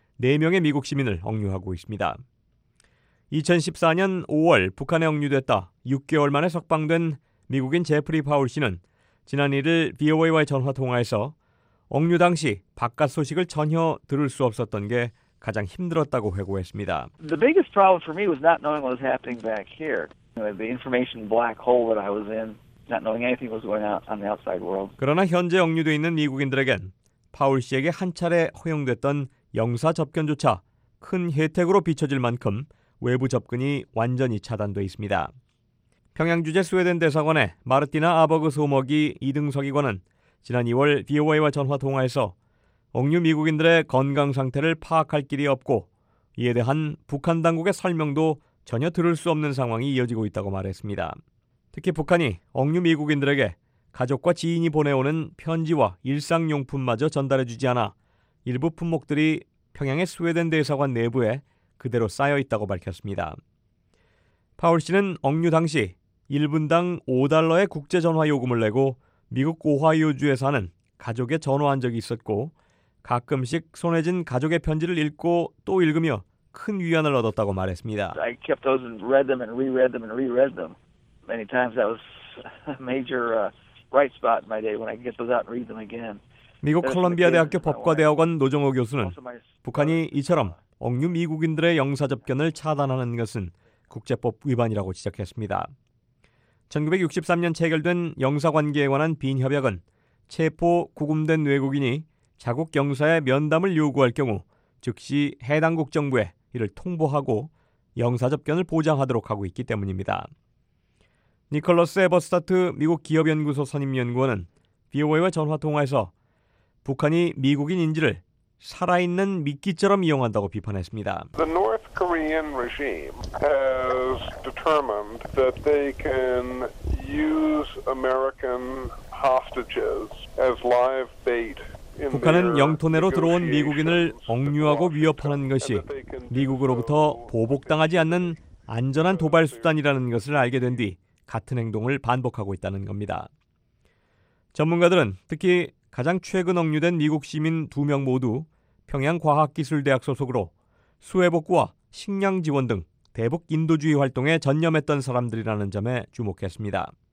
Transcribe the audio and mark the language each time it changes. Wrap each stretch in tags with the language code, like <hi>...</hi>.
<ko>4명의 미국 시민을 억류하고 있습니다. 2014년 5월 북한에 억류됐다 6개월 만에 석방된 미국인 제프리 파울 씨는 지난 1일 VOA와의 전화 통화에서 억류 당시 바깥 소식을 전혀 들을 수 없었던 게 가장 힘들었다고 회고했습니다.</ko> <en>The biggest trouble for me was not knowing what was happening back here. The information black hole that I was in, not knowing anything was going on the outside world.</en> <ko>그러나 현재 억류돼 있는 미국인들에겐 파울 씨에게 한 차례 허용됐던 영사 접견조차 큰 혜택으로 비춰질 만큼 외부 접근이 완전히 차단돼 있습니다. 평양 주재 스웨덴 대사관의 마르티나 아버그 소머기 이등석이관은 지난 2월 VOA와 전화 통화에서 억류 미국인들의 건강 상태를 파악할 길이 없고 이에 대한 북한 당국의 설명도 전혀 들을 수 없는 상황이 이어지고 있다고 말했습니다. 특히 북한이 억류 미국인들에게 가족과 지인이 보내오는 편지와 일상용품마저 전달해주지 않아 일부 품목들이 평양의 스웨덴 대사관 내부에 그대로 쌓여 있다고 밝혔습니다. 파울 씨는 억류 당시 1분당 $5의 국제전화 요금을 내고 미국 오하이오주에 사는 가족에 전화한 적이 있었고 가끔씩 손에 쥔 가족의 편지를 읽고 또 읽으며 큰 위안을 얻었다고 말했습니다.</ko> <en>I kept those and read them and reread them and reread them. Many times that was a major bright spot in my day when I get those out and read them again.</en> <ko>미국 컬럼비아 대학교 법과 대학원 노정호 교수는 북한이 이처럼 억류 미국인들의 영사 접견을 차단하는 것은 국제법 위반이라고 지적했습니다. 1963년 체결된 영사 관계에 관한 빈 협약은 체포 구금된 외국인이 자국 영사의 면담을 요구할 경우 즉시 해당국 정부에 이를 통보하고 영사 접견을 보장하도록 하고 있기 때문입니다. 니콜러스 에버스타트 미국 기업연구소 선임연구원은 VOA와 전화통화에서 북한이 미국인 인지를 살아있는 미끼처럼 이용한다고 비판했습니다.</ko> <en>The North Korean regime has determined that they can use American hostages as live bait.</en> <ko>북한은 영토 내로 들어온 미국인을 억류하고 위협하는 것이 미국으로부터 보복당하지 않는 안전한 도발 수단이라는 것을 알게 된 뒤 같은 행동을 반복하고 있다는 겁니다. 전문가들은 특히 가장 최근 억류된 미국 시민 2명 모두 평양과학기술대학 소속으로 수해복구와 식량지원 등 대북 인도주의 활동에 전념했던 사람들이라는 점에 주목했습니다.</ko>